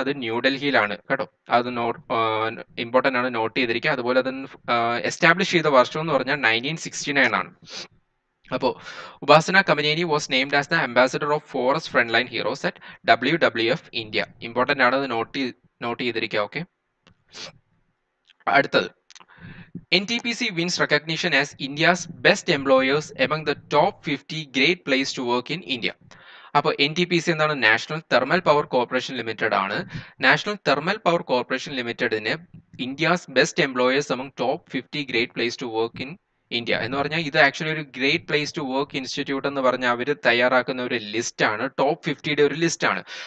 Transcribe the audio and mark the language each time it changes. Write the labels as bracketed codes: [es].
[ml] അത് ന്യൂഡൽഹിയിലാണ് കേട്ടോ. അത് ഇമ്പോർട്ടൻ്റ് ആണ്, നോട്ട് ചെയ്തിരിക്കുക. അതുപോലെ അതിന് എസ്റ്റാബ്ലിഷ് ചെയ്ത വർഷം എന്ന് പറഞ്ഞാൽ 1969 ആണ്. അപ്പോൾ [en] Upasana Kamineni was named as the ambassador of forest front line heroes at WWF India. [ml] Important ആണ്, അത് നോട്ട് ചെയ്തിരിക്കുക. ഓക്കെ, അടുത്തത്. [en] NTPC wins recognition as India's best employers among the top 50 great place to work in India. [ml] അപ്പോൾ NTPC എന്താണ്? National thermal power corporation limited ആണ്. National thermal power corporation ലിമിറ്റഡിന് [en] India's best employers among top 50 great place to work in India [ml] എന്ന് പറഞ്ഞാൽ, ഇത് actually ഒരു great place to work institute എന്ന് പറഞ്ഞാൽ അവർ തയ്യാറാക്കുന്ന ഒരു ലിസ്റ്റാണ്, ടോപ്പ് 50 ഒരു ലിസ്റ്റാണ്.